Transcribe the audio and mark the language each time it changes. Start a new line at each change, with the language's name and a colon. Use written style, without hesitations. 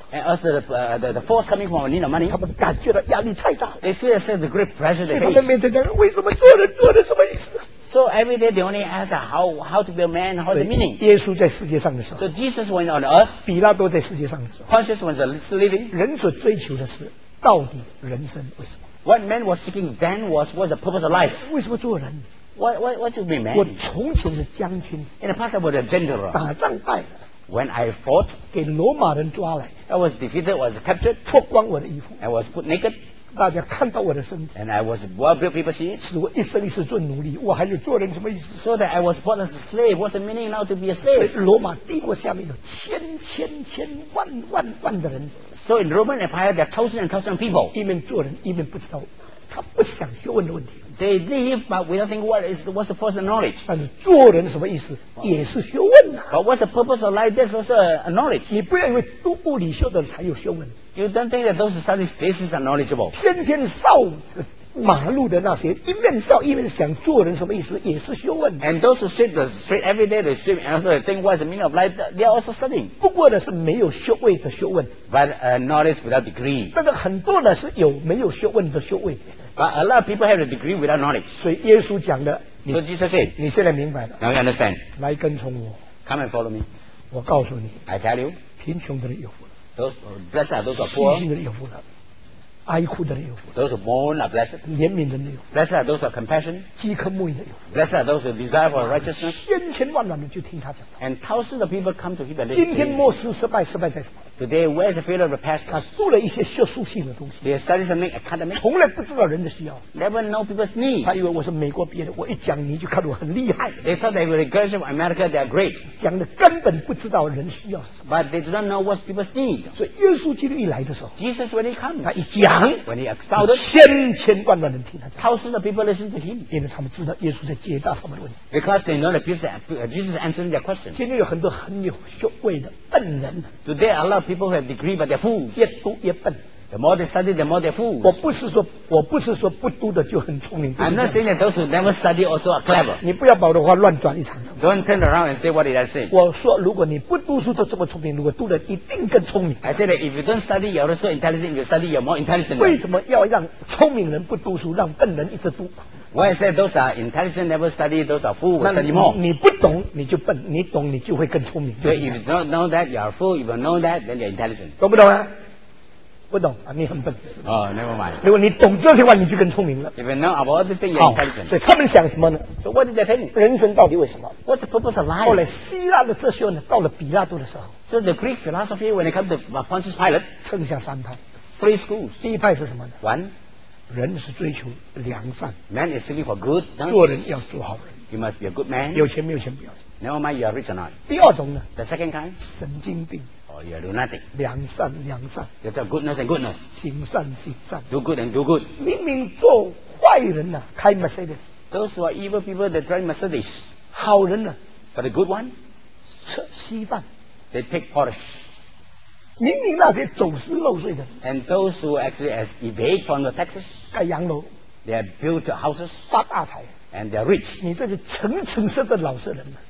English: ，and also the force coming from need of money.
Chinese: 他们感觉到压力太大
English: ，they feel a sense of great pressure.
Chinese: 他们面对这个，为什么做人做的什么意思？
English: So every day they only ask how to be a man, how the meaning.
Chinese: 耶稣在世界上的时候
English: ，So Jesus went on earth.
Chinese: 比拉多在世界上的时候
English: ，Pontius was still living.
Chinese: 人所追求的是到底人生为什么
English: ？What man was seeking then was the purpose of life?
Chinese: 为什么做人
English: ？Why to be man?
Chinese: 我从前是将军
English: ，In the past I was a general.
Chinese: 打仗败了
English: ，When I fought,
Chinese: 给罗马人抓来
English: ，I was defeated, was captured.
Chinese: 脱光我的衣服
English: ，I was put naked.
Chinese: 大家看到我的身体
English: ，and I was what will people see?
Chinese: 使我一生一世做奴隶，我还有做人什么意思
English: ？So that I was born as a slave, what's the meaning now to be a slave?
Chinese: 所以罗马帝国下面有千千千万万万的人
English: ，So in Roman Empire there are thousands and thousands of people.
Chinese: 一面做人，一面不知道，他不想去问的问题。
English: They live, but without thinking what's the first knowledge.
Chinese: 但是做人什么意思，也是学问啊。
English: But what's the purpose of life? That's also a knowledge.
Chinese: 你不要以为读物理学的才有学问。
English: You don't think that those study faces are knowledgeable.
Chinese: 天天扫马路的那些，一面扫一面想做人什么意思，也是学问。
English: And those who sweep the street every day, they sweep and also think what's the meaning of life. They are also studying.
Chinese: 不过呢，是没有学位的学问。
English: But knowledge without degree.
Chinese: 但是很多呢是有没有学问的学位。
English: But a lot of people have a degree without knowledge.
Chinese: 所以耶稣讲的
English: ，So Jesus said,
Chinese: 你现在明白了。
English: Now you understand.
Chinese: 来跟从我。
English: Come and follow me.
Chinese: 我告诉你。
English: I tell you.
Chinese: 贫穷的人有福。
English: Those blessed are those who are poor.
Chinese: 信心的人有福了，哀哭的人有福。
English: Those who mourn are blessed.
Chinese: 怜悯的人有福。
English: Blessed are those who are compassion.
Chinese: 饥渴慕义的有福。
English: Blessed are those who desire for righteousness.
Chinese: 千千万万人就听他讲。
English: And thousands of people come to him.
Chinese: 今天末世失败，失败在什么
English: ？Today, where is the failure of the past?
Chinese: 他做了一些学术性的东西。
English: They study something academic.
Chinese: 从来不知道人的需要。
English: Never know people's need.
Chinese: 他以为我是美国毕业的，我一讲你就看我很厉害。
English: They thought they were the guys from America. They are great.
Chinese: 讲的根本不知道人需要什么。
English: But they do not know what people's need.
Chinese: 所以耶稣基督一来的时候
English: ，Jesus when he comes,
Chinese: 他一讲。
English: When he expounded,
Chinese: 千千万万人听他讲
English: ，thousands of people listen to him，
Chinese: 因为他们知道耶稣在解答他们的问题。
English: Because they know that Jesus answering their question.
Chinese: 今天有很多很有学位的笨人。
English: Today a lot of people who have degree but they're fools.
Chinese: 越读越笨。
English: The more they study, the more they're fools.
Chinese: 我不是说不读的就很聪明。
English: I'm not saying that those who never study also are clever.
Chinese: 你不要把我的话乱转一场。
English: Don't turn around and say what did I say.
Chinese: 我说如果你不读书就这么聪明，如果读了一定更聪明。
English: I said that if you don't study, you're also intelligent. If you study, you're more intelligent.
Chinese: 为什么要让聪明人不读书，让笨人一直读？
English: Why I said those are intelligent never study, those are fools study more.
Chinese: 你不懂你就笨，你懂你就会更聪明。
English: So if you don't know that you're a fool, if you know that then you're intelligent.
Chinese: 懂不懂啊？不懂啊，你很笨。
English: 哦、oh, ，Never mind。
Chinese: 如果你懂这些话，你就更聪明了。
English: If you know about this thing, you're intelligent。
Chinese: 对，他们想什么呢
English: ？So what did they think?
Chinese: 人生到底为什么
English: ？What's the purpose of life?
Chinese: 后来希腊的哲学呢，到了比拉多的时候
English: ，So the Greek philosophy when it comes to Pontius Pilate，
Chinese: 剩下三派
English: ，Three schools。
Chinese: 第一派是什么呢
English: ？One，
Chinese: 人是追求良善
English: ，Man is looking for good。
Chinese: 做人要做好人
English: ，You must be a good man。
Chinese: 有钱没有钱不要紧
English: ，Never mind, you are rich or not。
Chinese: 第二种呢
English: ？The second kind，
Chinese: 神经病。
English: Oh, you do nothing.
Chinese: 良善良善
English: You tell goodness and goodness.
Chinese: 行善行善
English: Do good and do good.
Chinese: 明明做坏人啊，开 Mercedes.
English: Those who are evil people, they drive Mercedes.
Chinese: 好人啊
English: But a good one?
Chinese: 吃稀饭
English: They take Porsche.
Chinese: 明明那些走私漏税的
English: And those who actually has evade from the taxes.
Chinese: 盖洋楼
English: They have built houses.
Chinese: 发大财
English: And they are rich.
Chinese: 你这些诚诚实的老实人啊